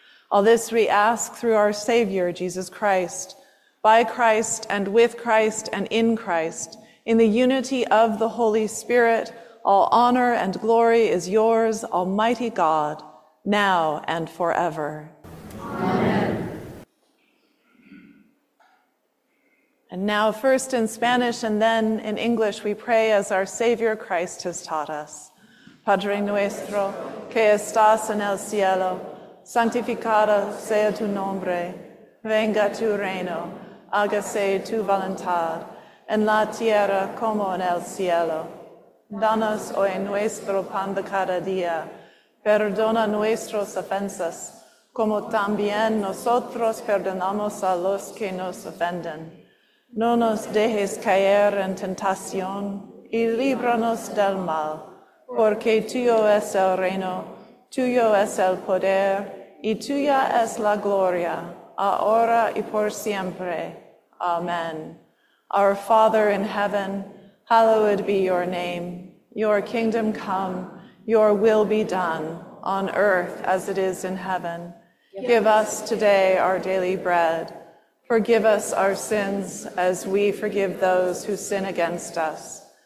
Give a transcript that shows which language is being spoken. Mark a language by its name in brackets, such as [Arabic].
[English] All this we ask through our Savior, Jesus Christ, by Christ and with Christ and in Christ, in the unity of the Holy Spirit, all honor and glory is yours, Almighty God, now and forever. And now, first in Spanish and then in English, we pray as our Savior Christ has taught us. [Spanish] Padre nuestro, que estás en el cielo, santificado sea tu nombre, venga tu reino, hágase tu voluntad, en la tierra como en el cielo. Danos hoy nuestro pan de cada día, perdona nuestras ofensas, como también nosotros perdonamos a los que nos ofenden. No nos dejes caer en tentación, y líbranos del mal, porque tuyo es el reino, tuyo es el poder, y tuya es la gloria, ahora y por siempre. [English] Amen. Our Father in heaven, hallowed be your name. Your kingdom come, your will be done, on earth as it is in heaven. Give us today our daily bread. Forgive us our sins, as we forgive those who sin against us.